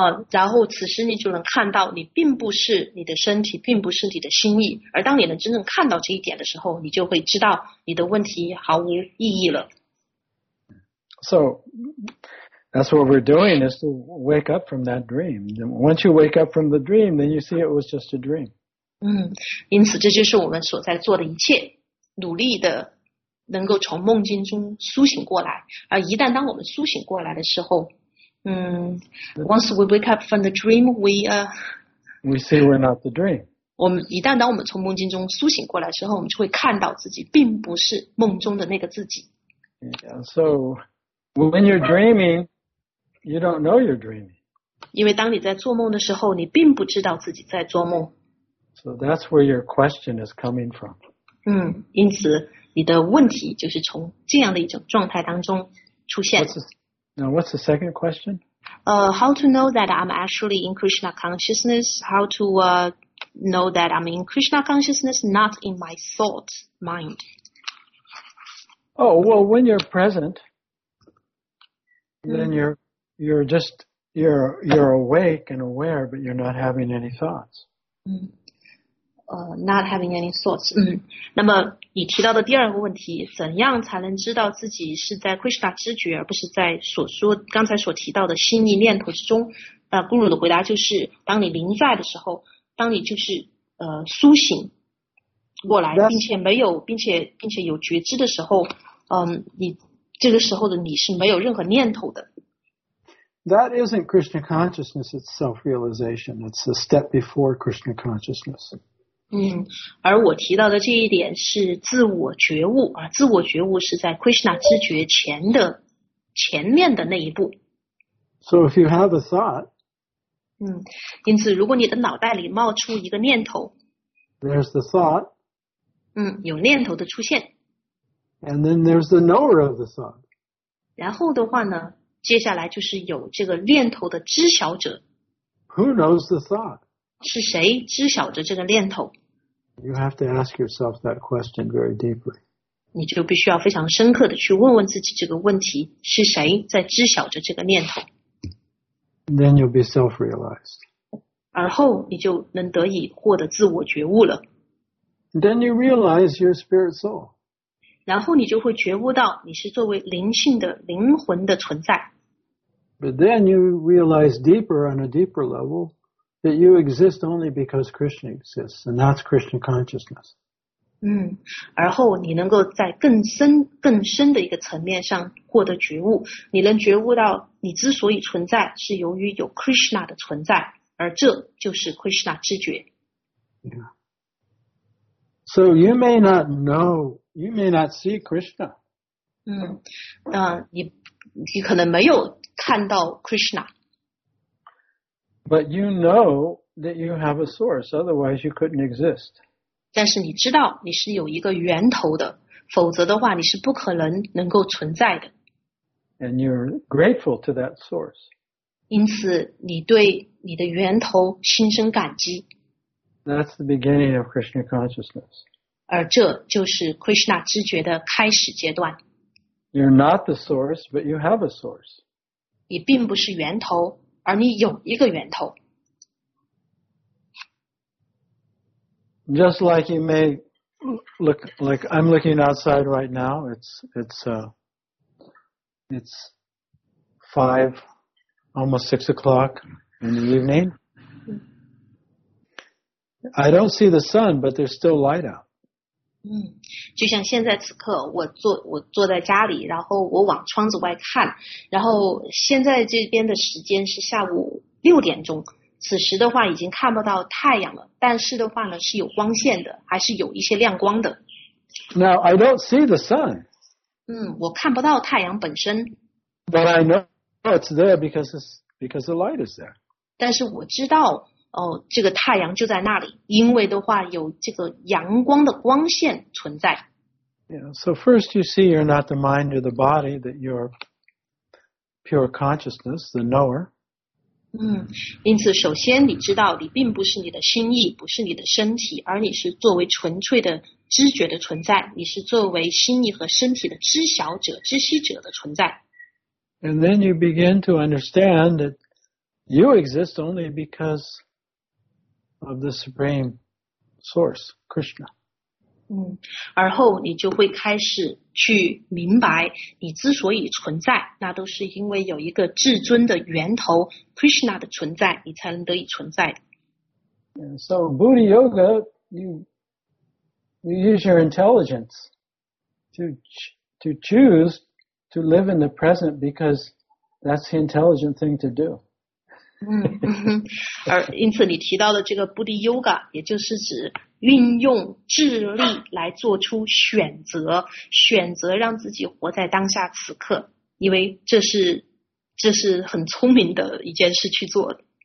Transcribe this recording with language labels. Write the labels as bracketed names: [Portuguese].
[Chinese] 然后此时你就能看到你并不是你的身体，并不是你的心意，而当你能真正看到这一点的时候，你就会知道你的问题毫无意义了。 [English] So that's what we're doing, is to wake up from that dream. Once you wake up from the dream, then you see it was just a dream. [Chinese] 因此这就是我们所在做的一切努力的，能够从梦境中苏醒过来。而一旦当我们苏醒过来的时候， [English] once we wake up from the dream, we see we're not the dream. [Chinese] 我们一旦当我们从梦境中苏醒过来之后，我们就会看到自己并不是梦中的那个自己。 [English] Yeah, so when you're dreaming, you don't know you're dreaming. [Chinese] 因为当你在做梦的时候，你并不知道自己在做梦。 [English] So that's where your question is coming from. [Chinese] 因此你的问题就是从这样的一种状态当中出现。 [English] Now, what's the second question? How to know that I'm actually in Krishna consciousness? How to know that I'm in Krishna consciousness, not in my thought mind? Oh, well, when you're present, then you're awake and aware, but you're not having any thoughts. Not having any thoughts. [Chinese] 那么你提到的第二个问题，怎样才能知道自己是在 Krishna 知觉，而不是在所说刚才所提到的心意念头之中？ Guru 的回答就是，当你临在的时候，当你就是苏醒过来，并且有觉知的时候，你这个时候的你是没有任何念头的。 [English] That isn't Krishna consciousness, it's self-realization. It's the step before Krishna consciousness. [Chinese] 而我提到的这一点是自我觉悟，自我觉悟是在 Krishna 知觉前面的那一步。 [English] So if you have a thought, [Chinese] 因此如果你的脑袋里冒出一个念头， [English] There's the thought, [Chinese] 有念头的出现。 [English] And then there's the knower of the thought. [Chinese] 然后的话呢，接下来就是有这个念头的知晓者。 [English] Who knows the thought? [Chinese] 是谁知晓着这个念头？ [English] You have to ask yourself that question very deeply. [Chinese] 你就必须要非常深刻的去问问自己这个问题，是谁在知晓着这个念头？ [English] Then you'll be self-realized. [Chinese] 而后你就能得以获得自我觉悟了。 [English] Then you realize your spirit soul. [Chinese] 然后你就会觉悟到你是作为灵性的灵魂的存在。 [English] But then you realize deeper on a deeper level. That you exist only because Krishna exists, and that's Krishna consciousness. [Chinese] 而后你能够在更深的一个层面上获得觉悟，你能觉悟到你之所以存在是由于有 Krishna 的存在，而这就是 Krishna 知觉。 [English] Yeah. So you may not know, you may not see Krishna. [Chinese] 你可能没有看到 Krishna. [English] But you know that you have a source, otherwise you couldn't exist. [Chinese] 但是你知道你是有一个源头的，否则的话你是不可能能够存在的。 [English] And you're grateful to that source. [Chinese] 因此你对你的源头心生感激。 [English] That's the beginning of Krishna consciousness. [Chinese] 而这就是 Krishna 知觉的开始阶段。 [English] You're not the source, but you have a source. [Chinese] 你并不是源头。而你有一个源头。 [English] Just like you may look, like I'm looking outside right now, it's five, almost 6 o'clock in the evening. I don't see the sun, but there's still light out. [Chinese] 就像现在此刻我坐在家里，然后我往窗子外看，然后现在这边的时间是下午6点钟，此时的话已经看不到太阳了，但是的话呢是有光线的，还是有一些亮光的。 [English] Now I don't see the sun. [Chinese] 我看不到太阳本身。 [English] But I know it's there because the light is there. [Chinese] 但是我知道这个太阳就在那里，因为的话有这个阳光的光线存在。 [English] Yeah, so first you see you're not the mind or the body, that you're pure consciousness, the knower. [Chinese] 因此首先你知道你并不是你的心意，不是你的身体，而你是作为纯粹的知觉的存在，你是作为心意和身体的知晓者、知悉者的存在。 [English] And then you begin to understand that you exist only becauseof the supreme source, Krishna. [Chinese] 而后你就会开始去明白你之所以存在，那都是因为有一个至尊的源头 Krishna 的存在，你才能得以存在。 [English] And so, Buddha Yoga, you use your intelligence to choose to live in the present because that's the intelligent thing to do. [Chinese] 而因此你提到的这个 Buddhi Yoga 也就是指运用智力来做出选择，选择让自己活在当下此刻，因为这是很聪明的一件事去做的。